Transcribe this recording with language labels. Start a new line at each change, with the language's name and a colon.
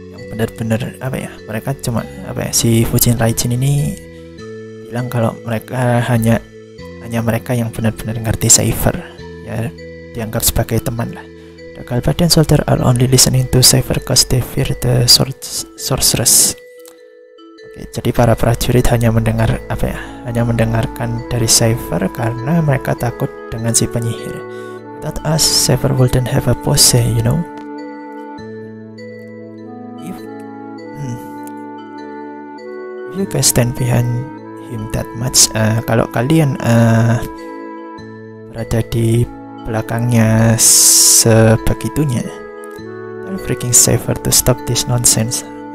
Indonesian: Benar-benar apa ya, mereka cuma apa ya, si Fujin Raijin ini bilang kalau mereka hanya mereka yang benar-benar ngerti Saver ya, dianggap sebagai teman lah.
English: The Galvadian soldier are only listening to Saver 'cause they fear the sorceress.
Indonesian: Jadi para prajurit hanya mendengar apa ya? Hanya mendengarkan dari Cypher karena mereka takut dengan si penyihir.
English: Without us, Cypher wouldn't have a posse, you know. If you guys stand behind him that much,
Indonesian: kalau kalian berada di belakangnya sebegitunya,
English: I'm freaking Cypher to stop this nonsense.